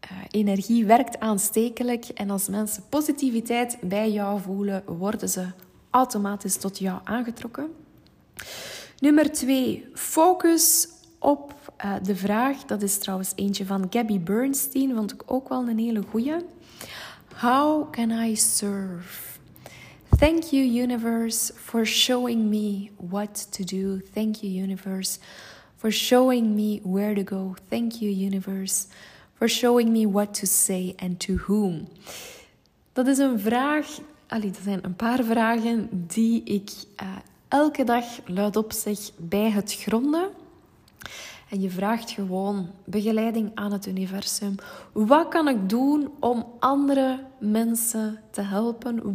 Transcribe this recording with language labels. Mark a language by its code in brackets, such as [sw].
[nl] Energie werkt aanstekelijk en als mensen positiviteit bij jou voelen, worden ze automatisch tot jou aangetrokken. Nummer 2, focus op de vraag, dat is trouwens eentje van Gabby Bernstein, vond ik ook wel een hele goeie. [en] How can I serve? Thank you, universe, for showing me what to do. Thank you, universe, for showing me where to go. Thank you, universe, for showing me what to say and to whom. [nl] Dat is een vraag, allee, dat zijn een paar vragen die ik elke dag luidop zeg bij het gronden. En je vraagt gewoon begeleiding aan het universum. Wat kan ik doen om andere mensen te helpen?